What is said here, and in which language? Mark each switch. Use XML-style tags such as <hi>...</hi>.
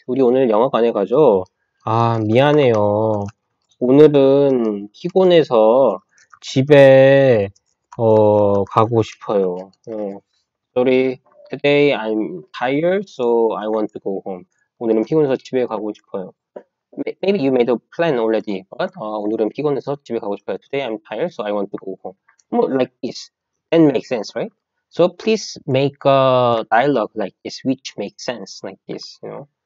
<ko>우리 오늘 영화관에 가죠? 아, 미안해요. 오늘은 피곤해서 집에, 가고 싶어요.</ko> <en>Sorry. Today I'm tired, so I want to go home.</en> <ko>오늘은 피곤해서 집에 가고 싶어요.</ko> <en>Maybe you made a plan already, but</en> <ko>오늘은 피곤해서 집에 가고 싶어요.</ko> <en>Today I'm tired, so I want to go home. More like this. That makes sense, right? So please make a dialogue like this, which makes sense like this, you know?</en>